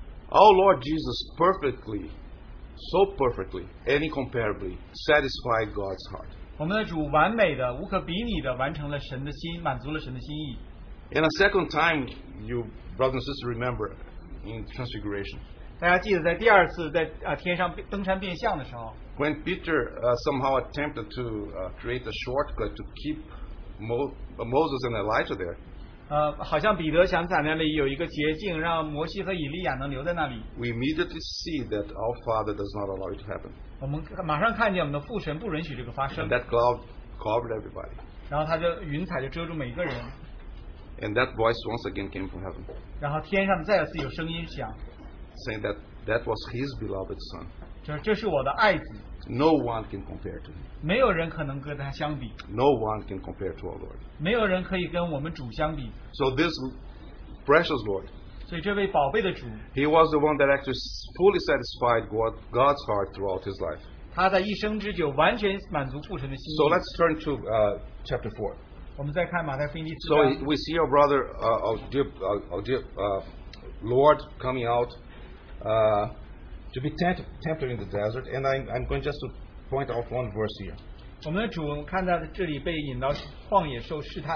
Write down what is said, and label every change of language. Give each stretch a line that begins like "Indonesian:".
English: our Lord Jesus perfectly, so perfectly, and incomparably, satisfied God's heart.
Chinese: 我们的主完美的, 无可比拟的, 完成了神的心, 满足了神的心意.
English: And a second time, you brothers and sisters remember, in Transfiguration,
Chinese: 大家记得在第二次, 在天上登山变相的时候,
English: when Peter somehow attempted to create a shortcut to keep Moses and Elijah there.
Chinese: 好像彼得想在那里有一个捷径, 让摩西和以利亚能留在那里.
English: We immediately see that our Father does not allow it to happen.
Chinese: 我们马上看见我们的父神不允许这个发生.
English: And that cloud covered everybody.
Chinese: 然后他就云彩就遮住每一个人.
English: And that voice once again came from heaven.
Chinese: 然后天上再次有声音响.
English: Saying that that was his beloved son.
Chinese: 这是我的爱子.
English: No one can compare to him.
Chinese: 没有人可能跟他相比.
English: No one can compare to our Lord.
Chinese: 没有人可以跟我们主相比.
English: So this precious Lord,
Chinese: 所以这位宝贝的主,
English: he was the one that actually fully satisfied God's heart throughout his life.
Chinese: 他在一生之久完全满足父神的心意.
English: So let's turn to chapter 4.
Chinese: 我们再看马太福音第四章.
English: So we see our brother, our dear Lord coming out to be tempted in the desert, and I'm going just to point out one verse here.
Chinese: 我们的主看到这里被引到旷野受试探.